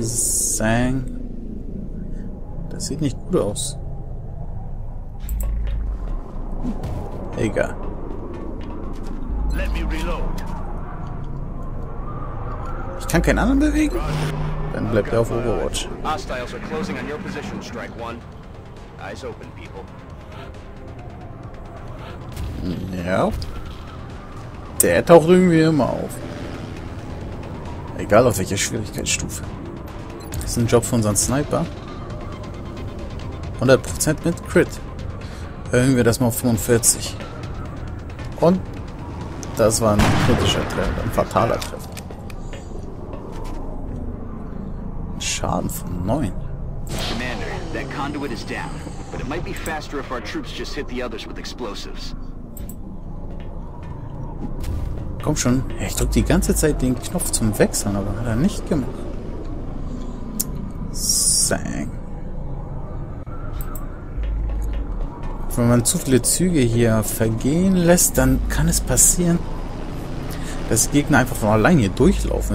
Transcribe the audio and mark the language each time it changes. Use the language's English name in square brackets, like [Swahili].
[German] Zang. Das sieht nicht gut aus. Egal. [English] Let me reload. [German] Ich kann keinen anderen bewegen? Dann bleibt er auf Overwatch. [English] Hostiles are closing on your position, Strike One. Eyes open, people. [German] Ja. Der taucht irgendwie immer auf. Egal auf welcher Schwierigkeitsstufe. Das ist ein Job für unseren Sniper. 100% mit Crit. Erhöhen wir das mal auf 45. Und das war ein kritischer Treffer, ein fataler Treffer. Ein Schaden von 9. [English] Commander, that conduit is down, but it might be faster if our troops just hit the others with explosives. [German] Komm schon, ich drück die ganze Zeit den Knopf zum Wechseln, aber hat er nicht gemacht. Sang. Wenn man zu viele Züge hier vergehen lässt, dann kann es passieren, dass die Gegner einfach von allein hier durchlaufen.